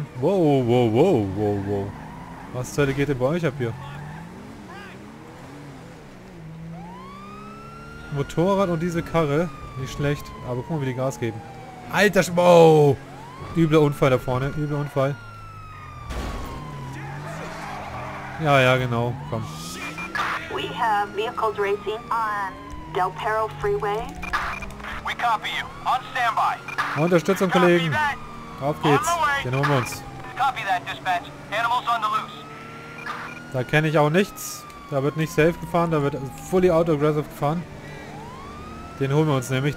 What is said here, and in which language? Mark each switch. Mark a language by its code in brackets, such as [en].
[de] Wow. Was zur Hölle geht denn bei euch ab hier? Motorrad und diese Karre. Nicht schlecht, aber guck mal, wie die Gas geben. Alter, wow! Übler Unfall da vorne, übler Unfall. Ja, ja, genau, komm. [en] We have vehicles racing on Del Perro Freeway. We copy you. On standby. [de] Unterstützung, Kollegen. Auf geht's. Den holen wir uns. [en] Copy that, Dispatch. Animals on the loose. [de] Da kenne ich auch nichts. Da wird nicht safe gefahren, da wird [en] fully auto-aggressive [de] gefahren. Den holen wir uns nämlich.